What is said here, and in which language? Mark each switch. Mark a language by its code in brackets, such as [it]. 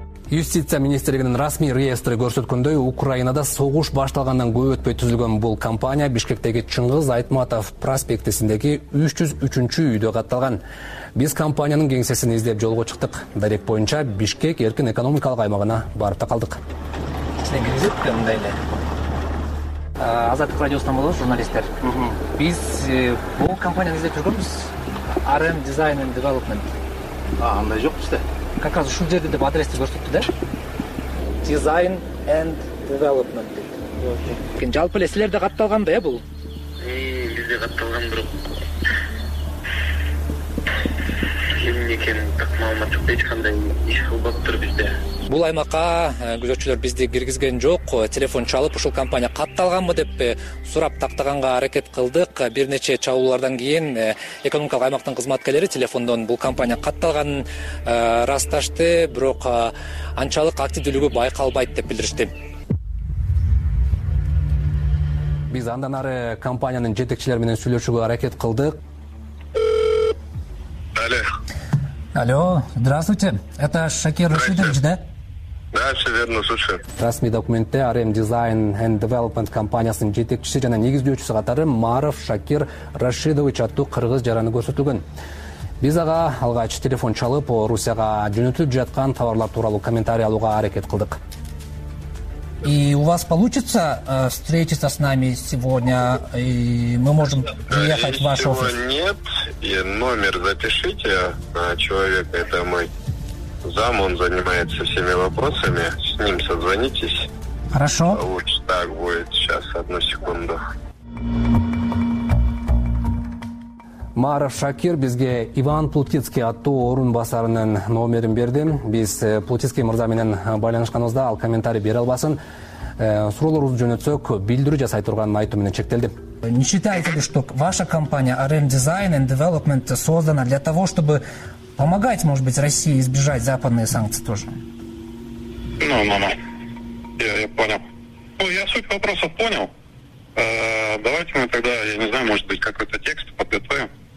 [ky] Юстиция министрлигинин расмий реестри көрсөткөндөй, Украинада согуш башталгандан көп өтпөй түзүлгөн бул компания Бишкектеги Чыңгыз Айтматов проспектисиндеги 303 үйдө катталган. Биз компаниянын кеңсесин издеп жолго чыктык. Дарек боюнча Бишкек эркин экономикалык аймагына барып такалдык. Азаттык радиосунан болобуз, журналисттер. Биз бул компанияны издеп жүргөнбүз. [en] RM Design and Development. [ky] Андай жок бизде. [ru] Как раз [ky] ушул жерде деп адрести көрсөттү да. [en] Design and Development. [ky] Окей. Жалпы эле силерде катталган да бул? Бизде катталган, бирок эмне экенин так маалымат жок, эч кандай иш кылбаптыр бизде. Бул аймакка күзөтчүлөр бизди киргизген жок. Телефон чалып, ушул компания катталганбы деп сурап тактаганга аракет кылдык. Бир нече чабуулардан кийин экономикалык аймактын кызматкерлери телефондон бул компания катталганын ырасташты, бирок анчалык активдүүлүгү байкалбайт деп билдиришти. Биз андан ары компаниянын жетекчилери менен сүйлөшүүгө аракет кылдык. Алло. [ru] Алло, здравствуйте. Это Шакир Рашидович, да? Да, все верно, слушаю. [ky] Расмий документте RM Design and Development компаниясынын жетекчиси жана негиздөөчүсү катары Маров Шакир Рашидович аттуу кыргыз жараны көрсөтүлгөн. Биз ага алгач телефон чалып, Орусияга жөнөтүлүп жаткан товарлар тууралуу комментарий алууга аракет кылдык. [ru] И у вас получится встретиться с нами сегодня, и мы можем приехать в ваш офис? Нет, и номер запишите человека, это мой зам, он занимается всеми вопросами, с ним созвонитесь. Хорошо. Лучше так будет, сейчас, одну секунду. [ky] Маров Шакир бизге Иван Плутицкий аттуу орун басарынын номерин берди. Биз Плутицкий мырза менен байланышканыбызда ал комментарий бере албасын. Суроолорубузду жөнөтсөк, билдирүү жасай турганын айтуу менен чектелди. [ru] Не считаете ли, что ваша компания RM Design and Development создана для того, чтобы помогать, может быть, России избежать западные санкции тоже? Я понял. Я суть вопроса понял. Давайте мы тогда, я не знаю, может быть, какой-то текст подготовим.